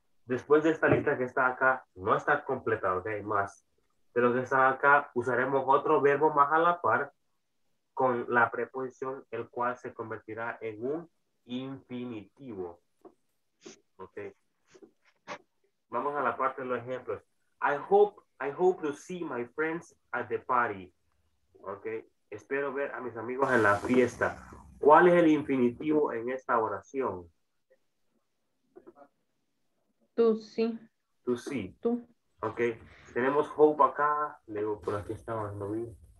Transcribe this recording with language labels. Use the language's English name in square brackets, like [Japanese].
[Spanish] Después de esta lista que está acá, no está completa, ok, más. Pero que está acá, usaremos otro verbo más a la par con la preposición, el cual se convertirá en un infinitivo. Ok. Vamos a la parte de los ejemplos. [English] I hope to see my friends at the party. Ok. [Spanish] Espero ver a mis amigos en la fiesta. ¿Cuál es el infinitivo en esta oración? [English] To see. [Spanish] Ok. Tenemos hope acá. Luego por aquí estaba. No vi.